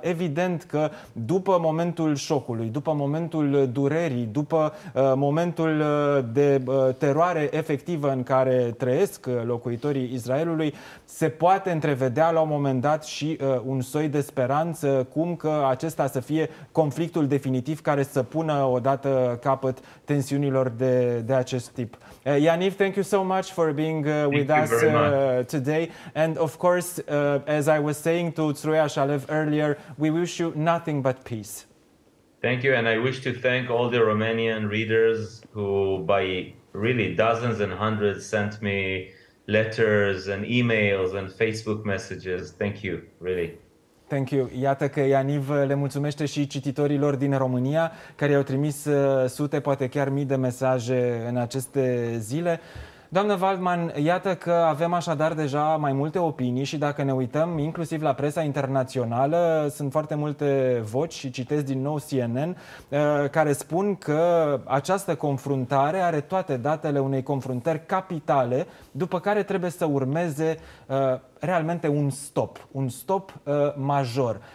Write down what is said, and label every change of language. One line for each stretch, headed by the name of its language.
Romanian: Evident că după momentul șocului, după momentul durerii, după momentul de teroare efectivă în care trăiesc locuitorii Israelului, se poate întrevedea la un moment dat și un soi de speranță, cum că acesta să fie conflictul definitiv care să pună odată capăt tensiunilor de acest tip.
English: Yaniv, thank you so much for being with us today. And of course, as I was saying to Tsruya Shalev earlier, we wish you nothing but peace. Thank you, and I wish to thank all the Romanian readers who, by really dozens and hundreds, sent me letters and emails and Facebook messages. Thank you, really. Thank you.
Romanian: Iată că Yaniv le mulțumește și cititorilor din România, care au trimis sute, poate chiar mii de mesaje în aceste zile. Doamnă Waldman, iată că avem așadar deja mai multe opinii și dacă ne uităm inclusiv la presa internațională, sunt foarte multe voci și citesc din nou CNN, care spun că această confruntare are toate datele unei confruntări capitale, după care trebuie să urmeze realmente un stop, un stop major.